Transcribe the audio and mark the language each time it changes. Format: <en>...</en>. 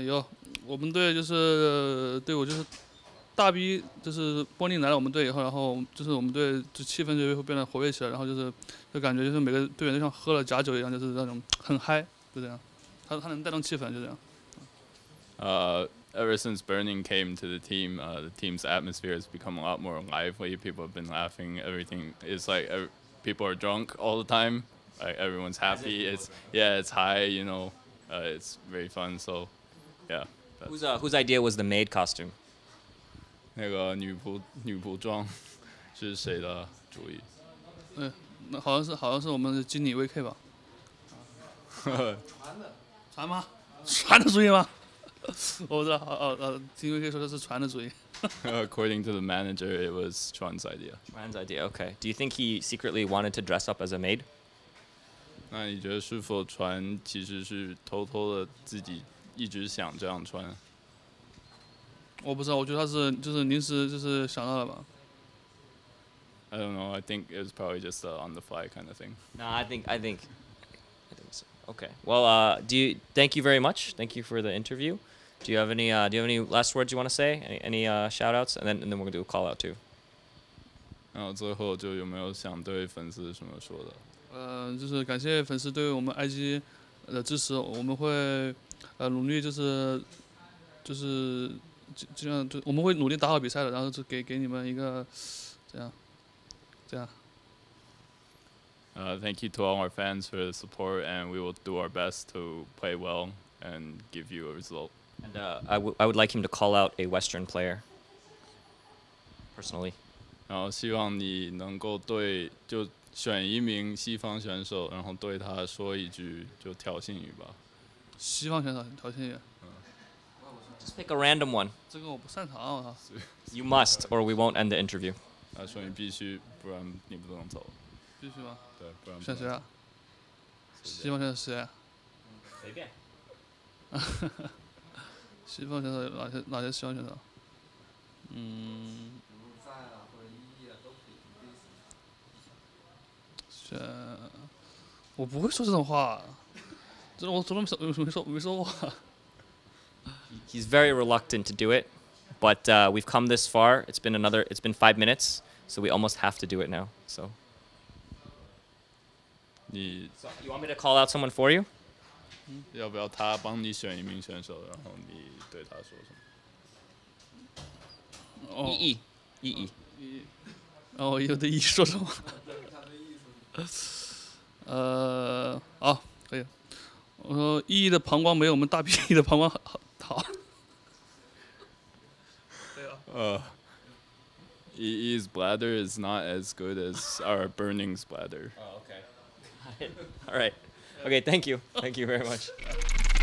<zh>有，我们队就是队伍就是大 B， 就是波宁来了我们队以后，然后就是我们队就气氛就会变得活跃起来，然后就是就感觉就是每个队员都像喝了假酒一样，就是那种很嗨，就这样，他能带动气氛，就这样。</zh> <en>Ever since Burning came to the team, the team's atmosphere has become a lot more lively. People have been laughing. Everything is like people are drunk all the time. Like everyone's happy. It's high. You know, it's very fun. So. Yeah. Whose idea was the maid costume?</en> <zh>那个女仆装，是谁的主意？嗯，那好像是我们的经理 VK 吧。船的，船吗？船的主意吗？我不知道，听 VK 说的是船的主意。</zh> <en>According to the manager, it was Chuan's idea. Chuan's idea, okay. Do you think he secretly wanted to dress up as a maid?</en> <zh>那你觉得是否船其实是偷偷的自己一直想这样穿？我不知道，我觉得他是就是临时就是想到了吧。</zh> <en>I don't know. I think it was probably just a on the fly kind of thing. No, I think so. Okay. Well, thank you very much. Thank you for the interview. Do you have any last words you want to say? Any shout outs? And then we're going to do a call out too.</en> <zh>然后最后就有没有想对粉丝什么说的？就是感谢粉丝对我们 IG 的支持，我们会努力就是尽量就我们会努力打好比赛的，然后就给你们一个这样。</zh> <en>Yeah. Thank you to all our fans for the support, and we will do our best to play well and give you a result. And I would like him to call out a Western player. Personally.</en> <zh>然后希望你能够对就选一名西方选手，然后对他说一句就挑衅语吧。西方选手挑衅语。</zh> <en>Just pick a random one.</en> <zh>这个我不擅长，我操。</zh> <en>You must, or we won't end the interview.</en> <zh>他说你必须，不然你不能走。必须吗？对，不然。选谁啊？西方选手谁？随便。西方选手有哪些西方选手？嗯。选，我不会说这种话，就是我从来没说过。</zh> <en>He's very reluctant to do it, but we've come this far. It's been 5 minutes. So we almost have to do it now. So. You want me to call out someone for you?</en> <zh>要不要他帮你选一名选手，然后你对他说什么？意义，意义。然后有的意义说什么？好，可以。我说意义的膀胱没有我们大 B 的膀胱好。好。对啊。</zh> <en>EE's bladder is not as good as our Burning's bladder. Oh, okay. Got it. All right. Okay, thank you. Thank you very much.</en>